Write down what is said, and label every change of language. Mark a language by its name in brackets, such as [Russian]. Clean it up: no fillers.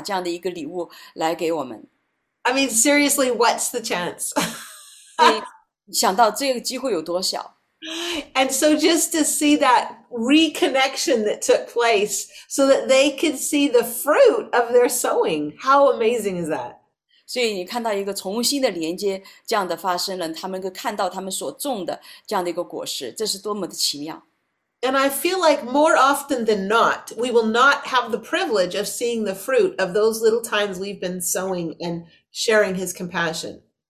[Chinese] 所以我就是觉得让我们大家都很惊讶的，就是一年以后，神把这样的一个礼物来给我们。 [English] I mean, seriously, what's the chance? [Chinese] 你想到这个机会有多小？ [English] And so just to see that reconnection that took place so that they could see the fruit of their sowing. How amazing is that? [Chinese] 所以你看到一个重新的连接，这样的发生了，他们看到他们所种的这样的一个果实，这是多么的奇妙。 [English] And I feel like more often than not, we will not have the privilege of seeing the fruit of those little times we've been sowing and sharing his compassion.